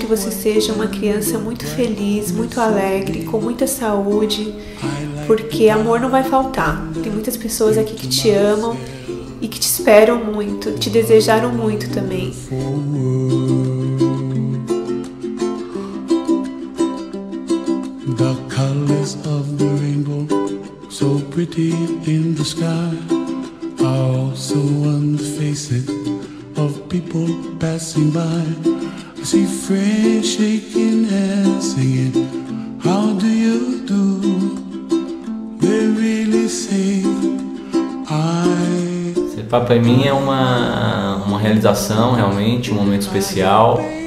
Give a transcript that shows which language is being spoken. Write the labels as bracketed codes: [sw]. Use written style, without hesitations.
[pt] Seja uma criança muito feliz, muito alegre, com muita saúde, porque amor não vai faltar. Tem muitas pessoas aqui que te amam e que te esperam muito, te desejaram muito também. [en] The colors of the rainbow, so pretty in the sky, also on the faces of people passing by. See friends shaking hands, singing, how do you do? They really say, I... [pt] Ser papai para mim é uma realização, realmente, um momento especial.